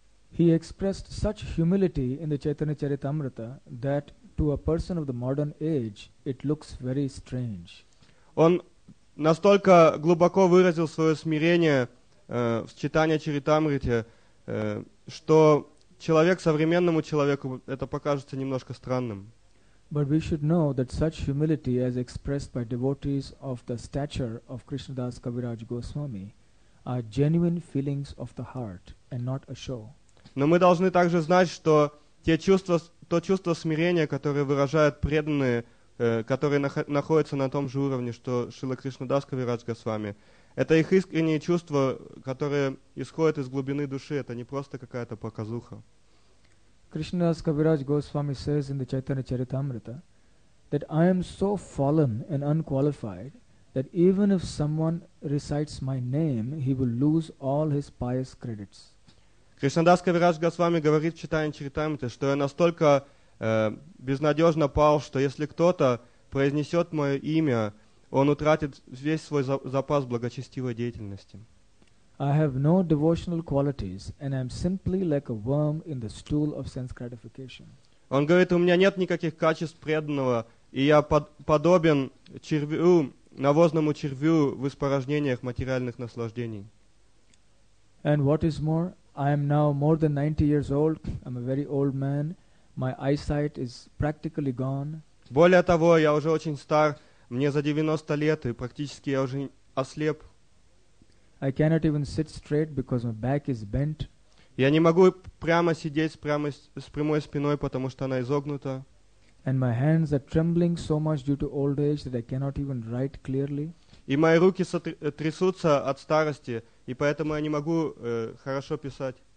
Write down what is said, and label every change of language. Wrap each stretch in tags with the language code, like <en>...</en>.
<en>He expressed such humility in the Chaitanya Charitamrita that to a person of the modern age it looks very strange.</en> <ru>Он настолько глубоко выразил свое смирение в Чайтанья Чаритамрите, что современному человеку это покажется немножко странным.</ru> <en>But we should know that such humility as expressed by devotees of the stature of Krishnadas Kaviraj Goswami are genuine feelings of the heart and not a show.</en> <ru>Но мы должны также знать, что то чувство смирения, которое выражают преданные, которые находятся на том же уровне, что Шрила Кришнадас Кавирадж Госвами, это их искреннее чувство, которое исходит из глубины души, это не просто какая-то показуха.</ru> <en>Кришнадас Кавирадж Госвами says in the Chaitanya Charitamrita that I am so fallen and unqualified that even if someone recites my name, he will lose all his pious credits.</en> <ru>Кришнадас Кавирадж Госвами говорит в Чайтанья Чаритамрите, что я настолько безнадежно пал, что если кто-то произнесет мое имя, он утратит весь свой запас благочестивой деятельности.</ru> <en>I have no devotional qualities, and I'm simply like a worm in the stool of sense gratification.</en> <ru>Он говорит, у меня нет никаких качеств преданного, и я подобен червю, навозному червю в испорожнениях материальных наслаждений.</ru> <en>And what is more, I am now more than 90 years old. I'm a very old man. My eyesight is practically gone.</en> <ru>Более того, я уже очень стар. Мне за 90 лет, и практически я уже ослеп.</ru> <en>I cannot even sit straight because my back is bent.</en> <ru>Я не могу прямо сидеть с прямой спиной, потому что она изогнута.</ru> <en>And my hands are trembling so much due to old age that I cannot even write clearly.</en> <ru>И мои руки трясутся от старости, и поэтому я не могу хорошо писать.</ru>